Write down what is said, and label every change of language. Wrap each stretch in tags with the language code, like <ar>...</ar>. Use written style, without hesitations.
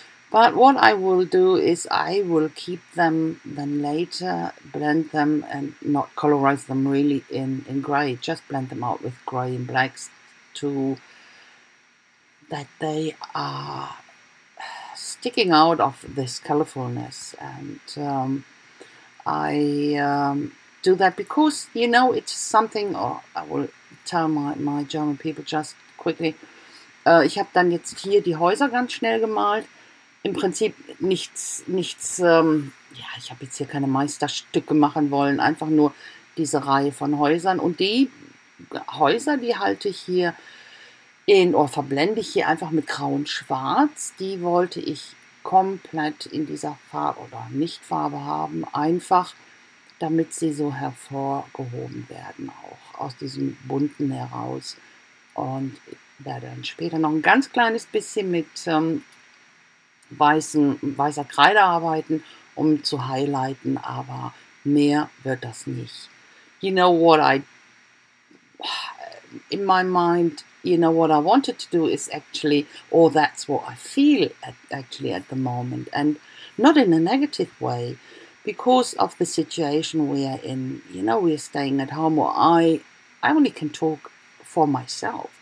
<en>But what I will do is I will keep them, then later blend them and not colorize them really in gray, just blend them out with gray and blacks to that they are sticking out of this colorfulness. And I do that because, you know, it's something, I will tell my German people just quickly.</en> <de>Ich habe dann jetzt hier die Häuser ganz schnell gemalt. Im Prinzip nichts, ich habe jetzt hier keine Meisterstücke machen wollen, einfach nur diese Reihe von Häusern. Und die Häuser, die halte ich hier, verblende ich hier einfach mit Grau und Schwarz. Die wollte ich komplett in dieser Farbe oder Nichtfarbe haben, einfach damit sie so hervorgehoben werden, auch aus diesem Bunten heraus. Und werde dann später noch ein ganz kleines bisschen mit weißer Kreide arbeiten, um zu highlighten, aber mehr wird das nicht.</de> <en>You know what I... In my mind... You know, what I wanted to do is actually, or that's what I feel at the moment, and not in a negative way, because of the situation we are in. You know, we are staying at home, or I only can talk for myself.</en>